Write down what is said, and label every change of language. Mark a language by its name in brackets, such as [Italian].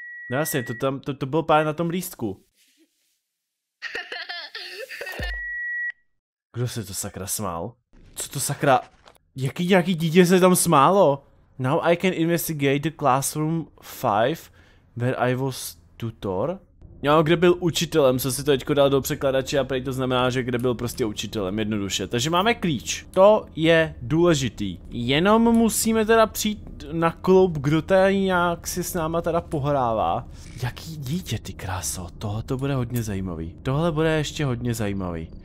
[Czech] No jasně, to bylo pár na tom lístku. Kdo se to sakra smál? Co to sakra? Jaký nějaký dítě se tam smálo? [English] Now I can investigate the classroom 5 where I was tutor. [Czech] No, kde byl učitelem, co si to teďko dal do překladače a prej to znamená, že kde byl prostě učitelem, jednoduše. Takže máme klíč, to je důležitý. Jenom musíme teda přijít na klub, kdo tady nějak si s náma teda pohrává. Jaký dítě, ty kráso, tohle bude ještě hodně zajímavý.